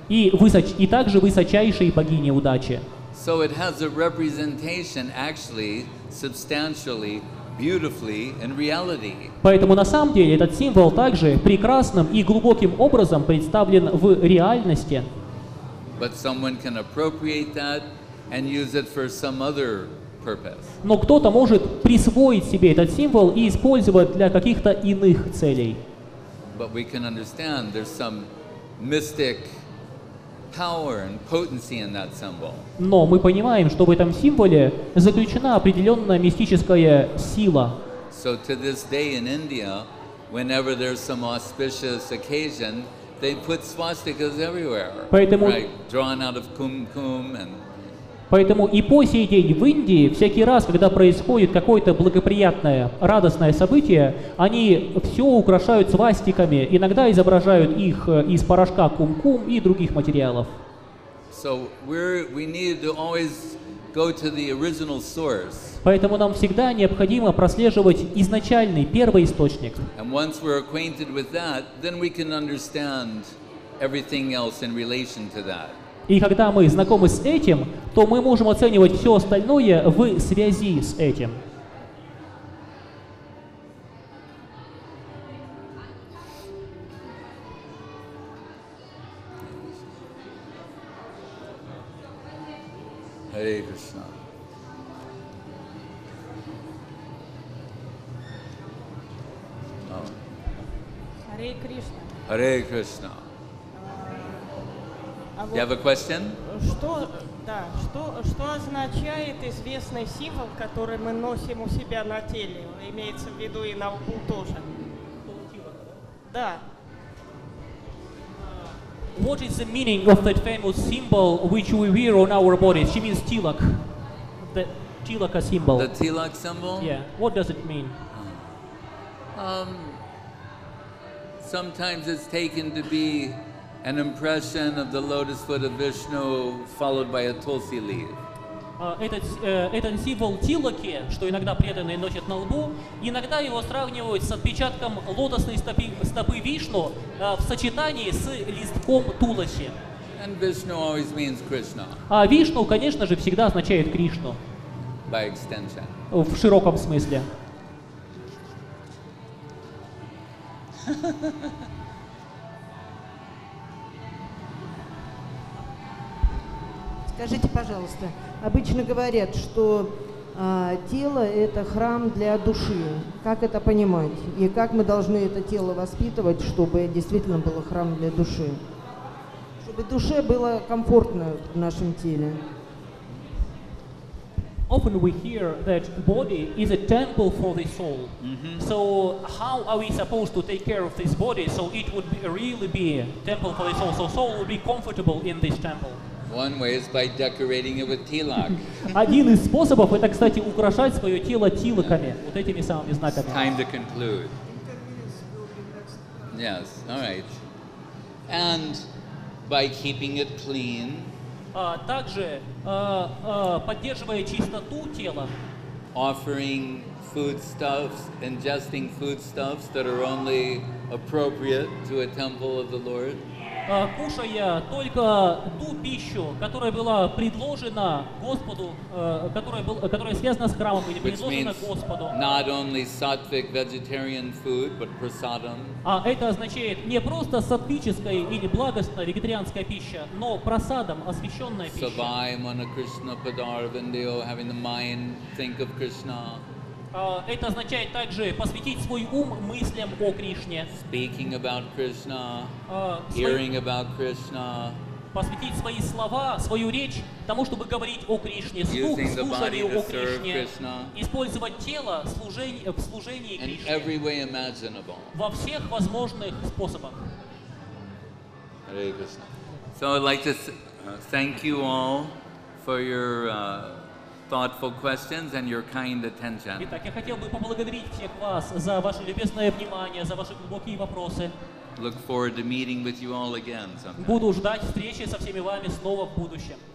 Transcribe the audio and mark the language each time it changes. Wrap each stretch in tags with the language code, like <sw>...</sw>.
<ru>И также высочайшей богини удачи.</ru> <en>So it has a representation, actually, substantially, beautifully in reality.</en> <ru>Поэтому на самом деле этот символ также прекрасным и глубоким образом представлен в реальности.</ru> <en>But someone can appropriate that and use it for some other purpose.</en> <ru>Но кто-то может присвоить себе этот символ и использовать для каких-то иных целей.</ru> <en>But we can understand there's some mystic power and potency in that symbol.</en> <ru>Но мы понимаем, что в этом символе заключена определенная мистическая сила.</ru> <en>So to this day in India, whenever there's some auspicious occasion, they put swastikas everywhere,</en> <ru>поэтому,</ru> <en>right? Drawn out of kumkum and.</en> <ru>Поэтому и по сей день в Индии всякий раз, когда происходит какое-то благоприятное, радостное событие, они все украшают свастиками. Иногда изображают их из порошка кумкум и других материалов.</ru> <en>So we need to always go to the original source.</en> <ru>Поэтому нам всегда необходимо прослеживать изначальный, первый источник.</ru> <en>And once we're acquainted with that, then we can understand everything else in relation to that.</en> <ru>И когда мы знакомы с этим, то мы можем оценивать все остальное в связи с этим.</ru> <sa>Hare Krishna. Hare Krishna. Hare Krishna.</sa> <en>You have a question?</en> <ru>Что означает известный символ, который мы носим у себя на теле? Имеется в виду и на лбу тоже. Да.</ru> <en>What is the meaning of that famous symbol which we wear on our bodies? She means tilak. The tilaka symbol. The tilak symbol? Yeah. What does it mean? Sometimes it's taken to be an impression of the lotus foot of Vishnu followed by a tulsi leaf.</en> <ru>Этот символ тилаки, что иногда преданные носят на лбу, иногда его сравнивают с отпечатком лотосной стопы Вишну в сочетании с листком туласи.</ru> <en>And Vishnu always means Krishna.</en> <ru>А Вишну, конечно же, всегда означает Кришну.</ru> <en>By extension.</en> <ru>В широком смысле. Скажите, пожалуйста, обычно говорят, что тело — это храм для души. Как это понимать? И как мы должны это тело воспитывать, чтобы действительно было храм для души? Чтобы душе было комфортно в нашем теле.</ru> <en>often we hear that body is a temple for the soul. Mm-hmm. So how are we supposed to take care of this body so it would be really be a temple for the soul, so soul would be comfortable in this temple? One way is by decorating it with tilak.</en> <ru>Один из способов – это, кстати, украшать свое тело тилаками, вот этими самыми знаками.</ru> <en>It's time to conclude. Yes, all right. And by keeping it clean.</en> <ru>Также поддерживая чистоту тела.</ru> <en>Offering foodstuffs, ingesting foodstuffs that are only appropriate to a temple of the Lord.</en> <ru>Кушая только ту пищу, которая была предложена Господу, которая связана с храмом, или</ru> <en>which</en> <ru>предложена Господу.</ru> <en>Not only sattvic vegetarian food, but prasadam.</en> <ru>А это означает не просто сатвическая или благостная вегетарианская пища, но прасадам, освященная пища.</ru> <sa>Savai mana Krishna padarvindiyo,</sa> <en>having the mind think of Krishna.</en> <ru>Это означает также посвятить свой ум мыслям о Кришне.</ru> <en>Speaking about Krishna, hearing about Krishna.</en> <ru>Посвятить свои слова, свою речь тому, чтобы говорить о Кришне, слушанию о Кришне.</ru> <en>Krishna,</en> <ru>использовать тело в служении</ru> <en>in</en> <ru>Кришне.</ru> <en>Every way imaginable.</en> <ru>Во всех возможных способах.</ru> <sa>Hare Krishna.</sa> <en>So I'd like to thank you all for your thoughtful questions and your kind attention.</en> <ru>Итак, я хотел бы поблагодарить всех вас за ваше любезное внимание, за ваши глубокие вопросы. Look forward to meeting with you all again sometime. Буду ждать встречи со всеми вами снова в будущем.</ru>